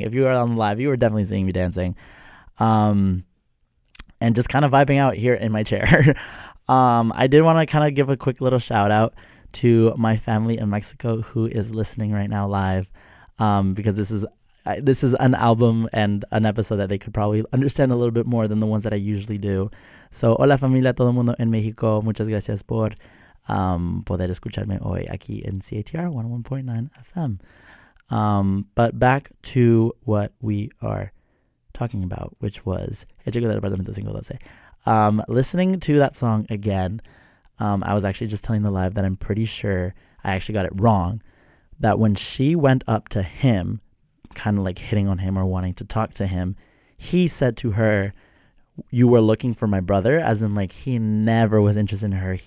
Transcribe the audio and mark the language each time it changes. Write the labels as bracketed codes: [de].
[en] If you are on live, you were definitely seeing me dancing, and just kind of vibing out here in my chair. I did want to kind of give a quick little shout out to my family in Mexico who is listening right now live, because this is an album and an episode that they could probably understand a little bit more than the ones that I usually do. [es] So, hola familia, todo mundo en México. Muchas gracias por poder escucharme hoy aquí en CATR 101.9 FM. [en] But back to what we are talking about, which was El Chico del Apartamento 512. Listening to that song again, I was actually just telling the live that I'm pretty sure I actually got it wrong, that when she went up to him, kind of like hitting on him or wanting to talk to him, he said to her, "You were looking for my brother," as in like he never was interested in her.